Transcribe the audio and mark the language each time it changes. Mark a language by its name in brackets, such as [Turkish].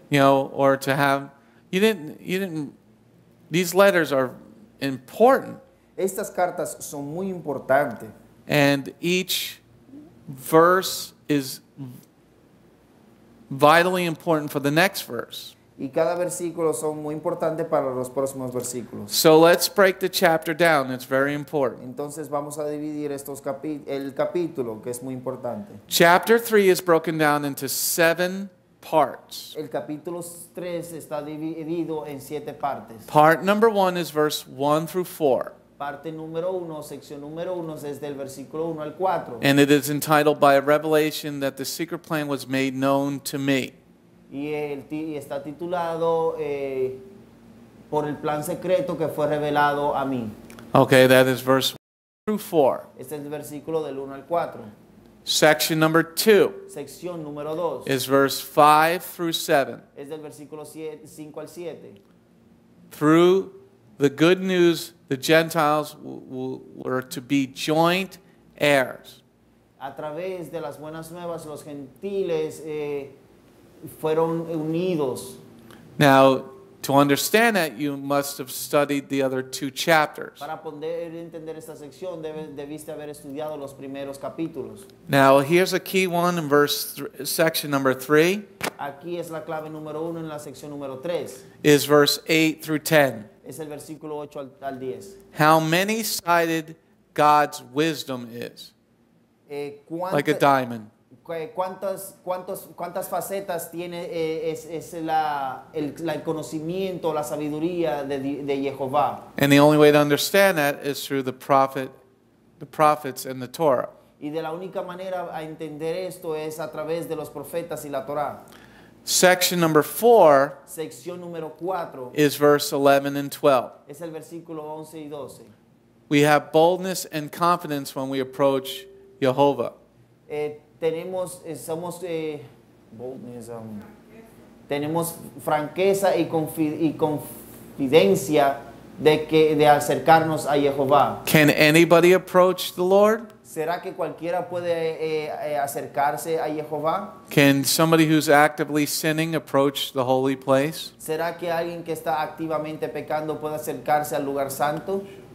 [English] You know, or to have, you didn't, these letters are important. [Spanish] Estas cartas son muy importantes. [English] And each verse is vitally important for the next verse. [Spanish] Y cada versículo son muy importantes para los próximos versículos. [English] So let's break the chapter down. It's very important. [Spanish] Entonces vamos a dividir estos el capítulo, que es muy importante. [English] Chapter 3 is broken down into 7 parts. [Spanish] El capítulo 3 está dividido en 7 partes. [English] Part number 1 is verse 1 through 4. [Spanish] Parte número 1, sección número 1, es del versículo 1 al 4. [English] And it is entitled by a revelation that the secret plan was made known to me. [Spanish] Y está titulado por el plan secreto que fue revelado a mí. [English] Okay, that is verse 1 through 4. [Spanish] Este es el versículo del 1 al 4. [English] Section number 2. [Spanish] Sección número 2. [English] Is verse 5 through 7. [Spanish] Es del versículo 5 al 7. [English] Through the good news, the Gentiles were to be joint heirs. [Spanish] A través de las buenas nuevas, los gentiles fueron unidos. [English] Now, to understand that, you must have studied the other 2 chapters. [Spanish] Para poder entender esta sección, debiste haber estudiado los primeros capítulos. [English] Now, here's a key one in verse section number 3. [Spanish] Aquí es la clave número 1 en la sección número 3. [English] Is verse 8 through 10. [Spanish] Es el versículo 8 al 10. [English] How many-sided God's wisdom is. Like a diamond. [Spanish] ¿Cuántas facetas tiene el conocimiento, la sabiduría de Jehová? [English] And the only way to understand that is through the prophets and the Torah. [Spanish] Y de la única manera a entender esto es a través de los profetas y la Torá. [English] Section number 4, [Spanish] sección número 4, [English] is verse 11 and 12. [Spanish] Es el versículo 11 y 12. [English] We have boldness and confidence when we approach Jehovah. [Spanish] Tenemos franqueza y confidencia de acercarnos a Jehová. [English] Can anybody approach the Lord? [Spanish] ¿Será que cualquiera puede acercarse a Jehová? [English] Can somebody who's actively sinning approach the holy place? [Spanish] ¿Será que alguien que está activamente pecando puede acercarse al lugar santo?